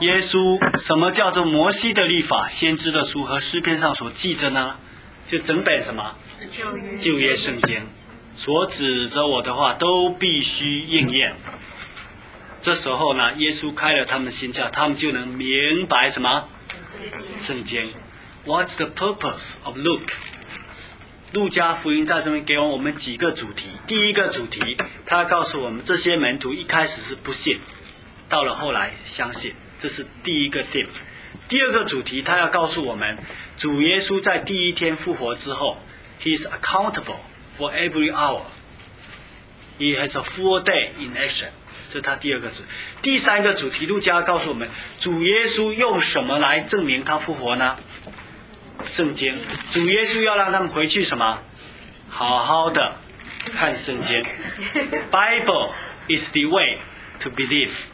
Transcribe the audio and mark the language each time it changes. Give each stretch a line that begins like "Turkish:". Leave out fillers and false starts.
Chinese: 耶稣，什么叫做摩西的律法、先知的书和诗篇上所记着呢？就整本什么旧约圣经，所指着我的话都必须应验。这时候呢，耶稣开了他们心窍，他们就能明白什么圣经。
English: What's the purpose of Luke?
Chinese: 路加福音在这边给我们几个主题。第一个主题，他告诉我们这些门徒一开始是不信，到了后来相信，这是第一个 theme。第二个主题，他要告诉我们主耶稣在第一天复活之后，
English: He's accountable for every hour. He has a full day in action.
Chinese: 这是他第二个主题。第三个主题，路加告诉我们主耶稣用什么来证明他复活呢？圣经。主耶稣要让他们回去什么？好好的看圣经。
English: Bible is the way to believe.